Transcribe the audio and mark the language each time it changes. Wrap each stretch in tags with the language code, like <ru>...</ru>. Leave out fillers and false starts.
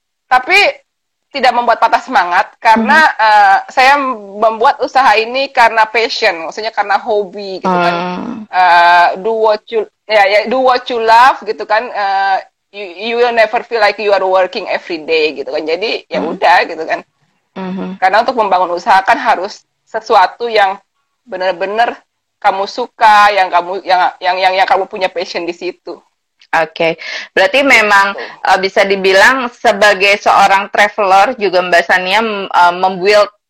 <id>Tapi tidak membuat patah semangat, karena saya membuat usaha ini karena passion, maksudnya karena hobi gitu kan.</id> <en>Do what you love</en> <id>gitu kan.</id> <en>You will never feel like you are working every day</en> <id>gitu kan. Jadi ya udah gitu kan. Karena untuk membangun usaha kan harus sesuatu yang benar-benar kamu suka, yang kamu punya passion di situ. Oke. Berarti memang bisa dibilang sebagai seorang traveler juga Mbak Sania membuild</id>